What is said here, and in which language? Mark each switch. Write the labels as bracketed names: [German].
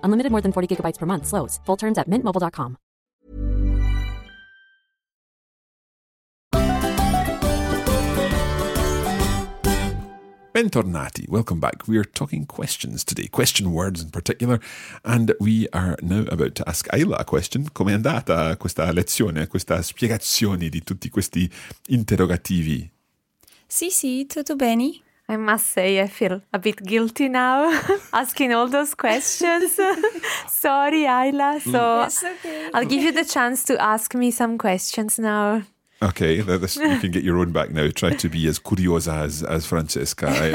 [English] Unlimited more than 40 gigabytes per month slows. Full terms at mintmobile.com. Bentornati. Welcome back. We are talking questions today, question words in particular, and we are now about to ask Ayla a question. [Italian] Come è andata questa lezione, questa spiegazione di tutti questi interrogativi? Sì, tutto bene. [English] I must say, I feel a bit guilty now asking all those questions. Sorry, Ayla. So it's okay. I'll give you the chance to ask me some questions now. Okay, this, you can get your own back now. Try to be as curiosa as Francesca.